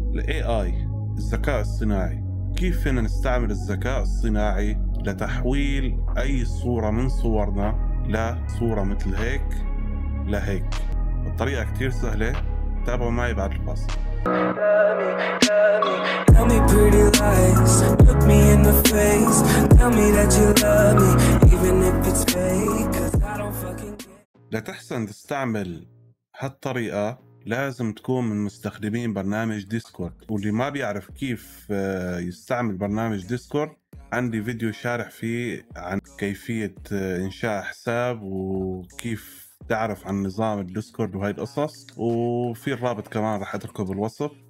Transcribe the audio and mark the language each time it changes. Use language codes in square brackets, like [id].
[ar] الـ AI، الذكاء الصناعي، كيف فينا نستعمل الذكاء الصناعي لتحويل أي صورة من صورنا لصورة مثل هيك لهيك؟ الطريقة كتير سهلة، تابعوا معي بعد الفاصل. [en] Tell me pretty lies, look me in the face, tell me that you love me even if it's fake, cuz I don't fucking care. [ar] لتحسن تستعمل هالطريقة لازم تكون من مستخدمين برنامج ديسكورد، واللي ما بيعرف كيف يستعمل برنامج ديسكورد عندي فيديو شارح فيه عن كيفية إنشاء حساب وكيف تعرف عن نظام الديسكورد وهي القصص، وفي الرابط كمان راح أتركه بالوصف.